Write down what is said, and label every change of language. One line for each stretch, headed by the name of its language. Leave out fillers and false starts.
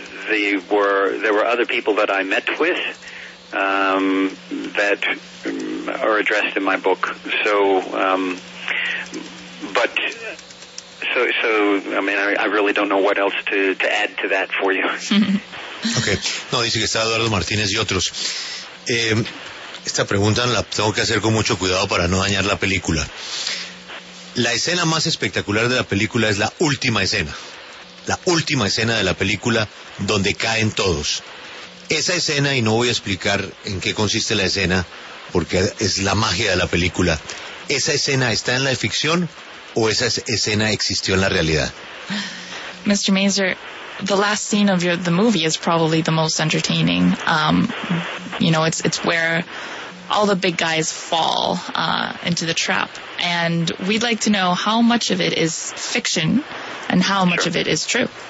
English: There were other people that I met with that are addressed in my book. So, but... I really don't know what else to add to that for you. Okay.
Spanish: No, dice que está Eduardo Martínez y otros. Esta pregunta la tengo que hacer con mucho cuidado para no dañar la película. La escena más espectacular de la película es la última escena. La última escena de la película donde caen todos. Esa escena, y no voy a explicar en qué consiste la escena, porque es la magia de la película. Esa escena está en la ficción, ¿o esa escena existió en la realidad?
English: Mr. Mazur, the last scene of the movie is probably the most entertaining. You know, it's where all the big guys fall into the trap. And we'd like to know how much of it is fiction and how much of it is true.